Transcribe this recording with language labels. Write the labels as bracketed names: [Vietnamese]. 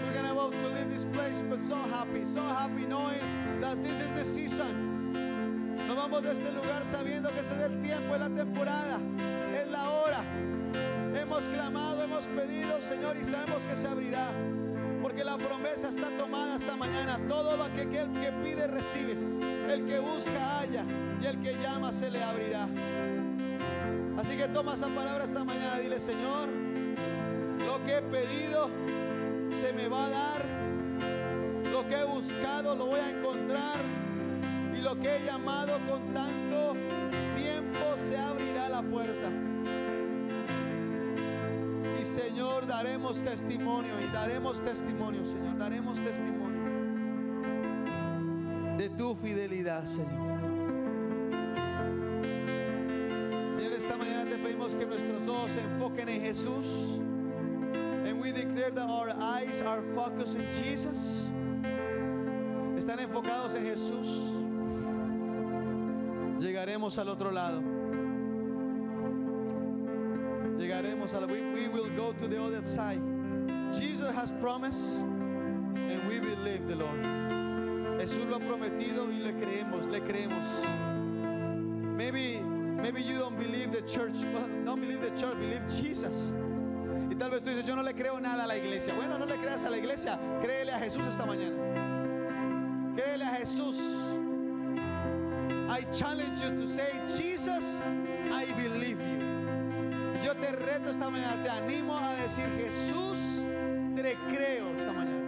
[English] We're gonna want to leave this place, but so happy knowing that this is the season. [Spanish] Nos vamos de este lugar sabiendo que ese es el tiempo, es la temporada, es la hora. Hemos clamado, hemos pedido, Señor, y sabemos que se abrirá, porque la promesa está tomada esta mañana. Todo lo que el que pide recibe, el que busca halla, y el que llama se le abrirá. Así que toma esa palabra esta mañana, dile, Señor, lo que he pedido se me va a dar, lo que he buscado lo voy a encontrar, y lo que he llamado con tanto tiempo se abrirá la puerta. Y Señor, daremos testimonio, y daremos testimonio, Señor, daremos testimonio de tu fidelidad, Señor. Señor, esta mañana te pedimos que nuestros ojos se enfoquen en Jesús. [English] We declare that our eyes are focused in Jesus. [Spanish] Están enfocados en Jesús. Llegaremos al otro lado. Llegaremos al. [English] We will go to the other side. Jesus has promised, and we believe the Lord. [Spanish] Jesús lo ha prometido y le creemos. [English] Maybe you don't believe the church. Well, don't believe the church, believe Jesus. [Spanish] Y tal vez tú dices, yo no le creo nada a la iglesia. Bueno, no le creas a la iglesia, créele a Jesús esta mañana. Créele a Jesús. [English] I challenge you to say, Jesus, I believe you. [Spanish] Yo te reto esta mañana, te animo a decir, Jesús, te creo esta mañana.